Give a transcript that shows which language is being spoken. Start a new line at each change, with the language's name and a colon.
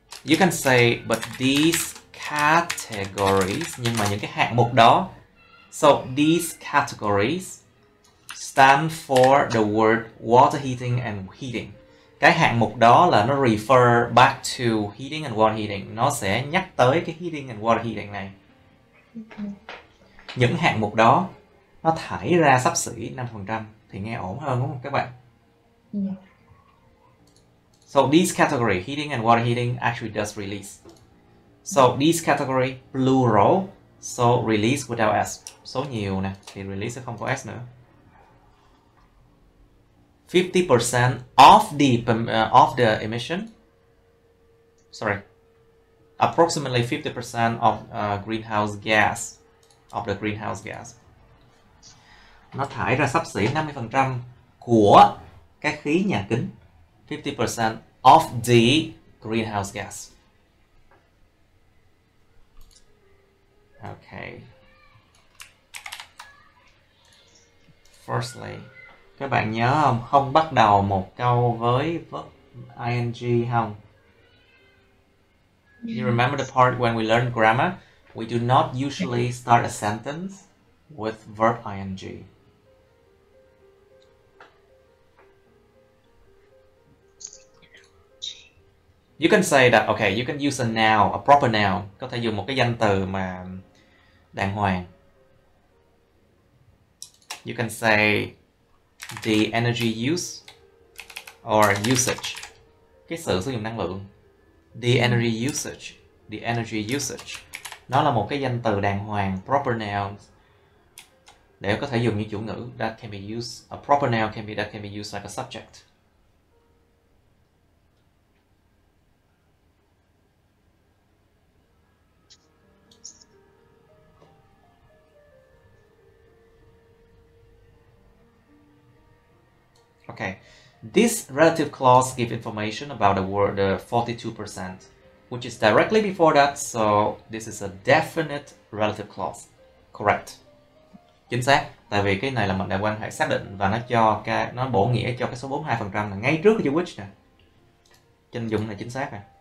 English: You can say, but these categories,
Vietnamese: nhưng mà những cái hạng mục đó,
English: so these categories stand for the word water heating and heating.
Vietnamese: Cái hạng mục đó là nó
English: refer back to heating and water heating.
Vietnamese: Nó sẽ nhắc tới cái heating and water heating này. Những hạng mục đó nó thải ra xấp xỉ 5% thì nghe ổn hơn đúng không các bạn?
English: So these category heating and water heating actually does release. So these category plural, so release without s.
Vietnamese: Số nhiều nè thì release sẽ không có s nữa.
English: 50% of the emission. Sorry. Approximately 50% of greenhouse gas. Of the greenhouse gas.
Vietnamese: nó thải ra xấp xỉ 50% của các khí nhà kính,
English: 50% of the greenhouse gas. Okay.
Vietnamese: Firstly, các bạn nhớ không? Không bắt đầu một câu với verb ing không?
English: You remember the part when we learned grammar? We do not usually start a sentence with verb ing. You can say that, okay, you can use a noun, a proper noun.
Vietnamese: Có thể dùng một cái danh từ mà đàng hoàng.
English: You can say the energy use or usage.
Vietnamese: Cái sự sử dụng năng lượng.
English: The energy usage.
Vietnamese: Nó là một cái danh từ đàng hoàng, proper noun. Để có thể dùng như chủ ngữ.
English: That can be used, a proper noun can be, that can be used like a subject. Okay, this relative clause give information about the word 42%, which is directly before that, so this is a definite relative clause. Correct.
Vietnamese: Chính xác, tại vì cái này là mệnh đề quan hệ xác định và nó cho cái nó bổ nghĩa cho cái số 42% là ngay trước cái chữ which nè. Chân dung là chính xác rồi.